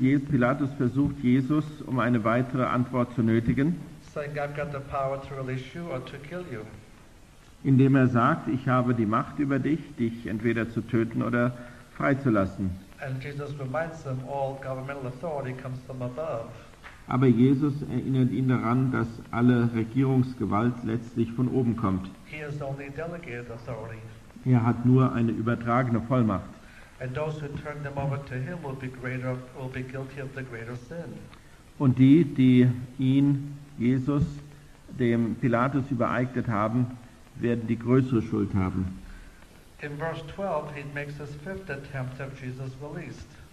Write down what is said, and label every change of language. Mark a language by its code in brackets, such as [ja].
[de] Pilatus versucht Jesus, um eine weitere Antwort zu nötigen. [en] Saying, I've got the power to release you or to kill you. [de] Indem er sagt, ich habe die Macht über dich, dich entweder zu töten oder freizulassen. [en] And Jesus reminds them, all governmental authority comes from above. [de] Aber Jesus erinnert ihn daran, dass alle Regierungsgewalt letztlich von oben kommt. [en] He is only delegated authority. [de] Er hat nur eine übertragene Vollmacht. [en] And those who turn them over to him will be guilty of the greater sin. [de] Und die, die ihn, Jesus, dem Pilatus übereignet haben, werden die größere Schuld haben. [en] In verse 12, he makes his fifth attempt of Jesus released.